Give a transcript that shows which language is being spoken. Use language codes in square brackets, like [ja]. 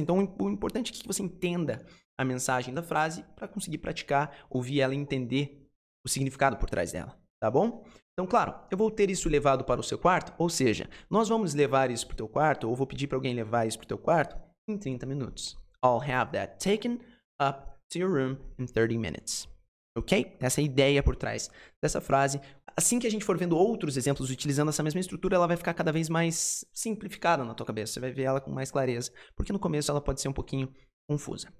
[pt] Então, o importante é que você entenda a mensagem da frase para conseguir praticar, ouvir ela e entender o significado por trás dela, tá bom? Então, claro, eu vou ter isso levado para o seu quarto, ou seja, nós vamos levar isso para o teu quarto, ou vou pedir para alguém levar isso para o teu quarto em 30 minutos, [en] I'll have that taken up to your room in 30 minutes. Ok? [pt] Essa é a ideia por trás dessa frase. Assim que a gente for vendo outros exemplos utilizando essa mesma estrutura, ela vai ficar cada vez mais simplificada na tua cabeça. Você vai ver ela com mais clareza. Porque no começo ela pode ser um pouquinho confusa.